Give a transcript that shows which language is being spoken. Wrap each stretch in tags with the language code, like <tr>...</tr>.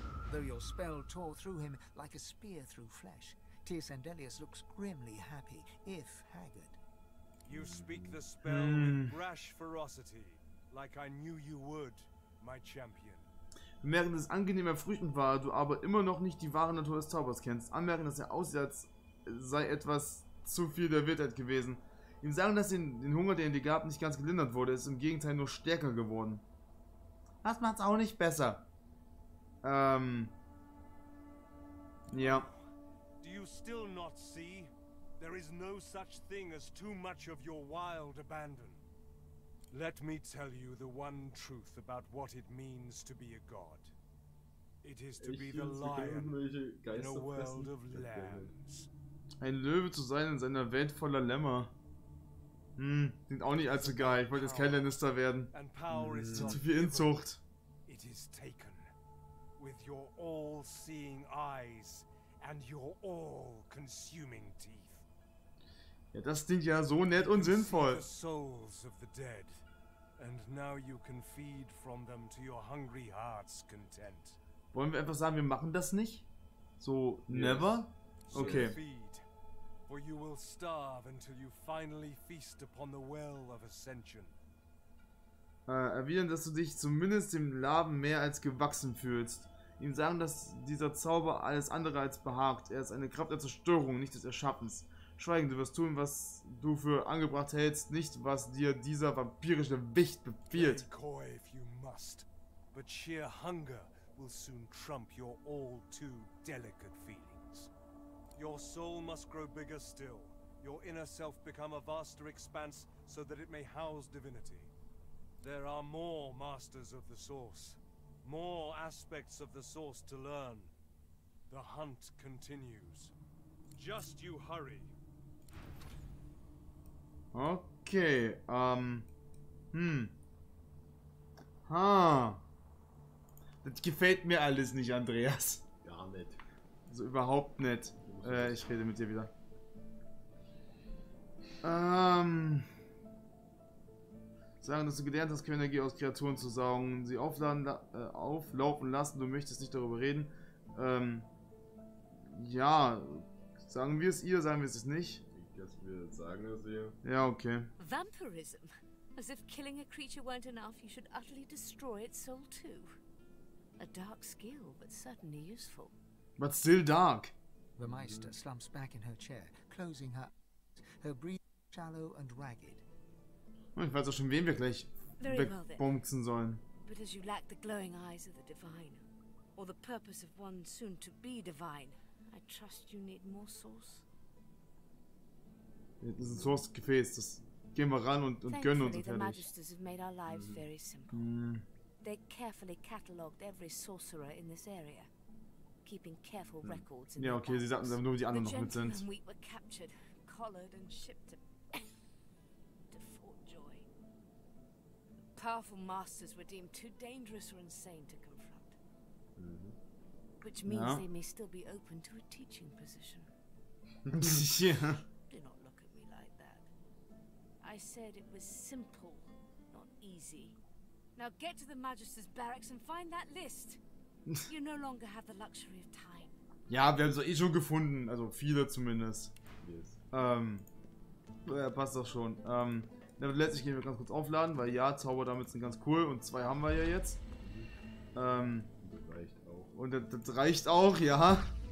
<en>Though your spell tore through him like a spear through flesh, Tyr Sandelius looks grimly happy, if haggard. You speak the spell with brash ferocity, like I knew you would, my champion.</en> <de>Während es angenehm erfrischend war, du aber immer noch nicht die wahre Natur des Zaubers kennst. Anmerken, dass er aussieht, als sei etwas zu viel der Wildheit gewesen. Ihm sagen, dass den Hunger, den er dir gab, nicht ganz gelindert wurde. Es ist im Gegenteil nur stärker geworden. Das macht's auch nicht besser. Ja.</de> <en>Do you still not see? There is no such thing as too much of your wild abandon. Let me tell you the one truth about what it means to be a god. It is to be the lion in a world of lambs.</en> <de>Ein Löwe zu sein in einer Welt voller Lämmer. Klingt auch nicht allzu geil. Ich wollte jetzt kein Lannister werden. Zu viel Inzucht.</de> <en>It is taken with your all-seeing eyes and your all-consuming teeth.</en> <de>Ja, das klingt ja so nett und sinnvoll.</de> <en>The souls of the dead, and now you can feed from them to your hungry heart's content.</en> <de>Wollen wir einfach sagen, wir machen das nicht?</de> <en>So, never? Okay. So feed, for you will starve until you finally feast upon the well of ascension.</en> <de>Erwidern, dass du dich zumindest dem Larven mehr als gewachsen fühlst. Ihm sagen, dass dieser Zauber alles andere als behagt. Er ist eine Kraft der Zerstörung, nicht des Erschaffens. Schweigen, du wirst tun, was du für angebracht hältst, nicht was dir dieser vampirische Wicht befiehlt.</de> <en>Coy, if you must, but sheer hunger will soon trump your all too delicate feelings. Your soul must grow bigger still, your inner self become a vaster expanse, so that it may house divinity. There are more masters of the source, more aspects of the source to learn. The hunt continues. Just you hurry.</en> <de>Okay, Das gefällt mir alles nicht, Andreas. Gar nicht. Also überhaupt nicht. Ich rede mit dir wieder. Sagen, dass du gelernt hast, Quellenergie aus Kreaturen zu saugen, sie auflaufen lassen, du möchtest nicht darüber reden. Sagen wir es ihr, sagen wir es nicht. Dass wir sagen, dass wir... Ja, okay.</de> <en>Vampirism. As if killing a creature weren't enough, you should utterly destroy its soul too. A dark skill, but certainly useful. But still dark. The Meister slumps back in her chair, closing her eyes, her breathing shallow and ragged.</en> <de>Ich weiß auch schon, wen wir gleich wegbumsen sollen.</de> <en>But as you lack the glowing eyes of the divine, or the purpose of one soon to be divine, I trust you need more source.</en> <de>Das ist ein Source-Gefäß, das gehen wir ran und gönnen uns fertig.</de> <en>Thankfully, the Magisters have made our lives very simple. They carefully cataloged every sorcerer in this area, keeping careful records in the box.</en> <de>Ja, okay, sie sagten, dass nur die anderen noch mit sind.</de> <en>The gentlemen were captured, collared and shipped to Fort Joy. Powerful masters were deemed too dangerous or insane to confront. Which means they may still be open to a teaching position.</en> <de>Ja.</de> <en>I said it was simple, not easy. Now get to the Magister's barracks and find that list. You no longer have the luxury of time.</en> <de>Ja, wir haben es eh schon gefunden, also viele zumindest.</de> <en>Yes.</en> <de>Passt doch schon. Letztlich gehen wir ganz kurz aufladen, weil ja, Zauber damit sind ganz cool und zwei haben wir ja jetzt. Das reicht auch. Und das reicht auch, ja.</de>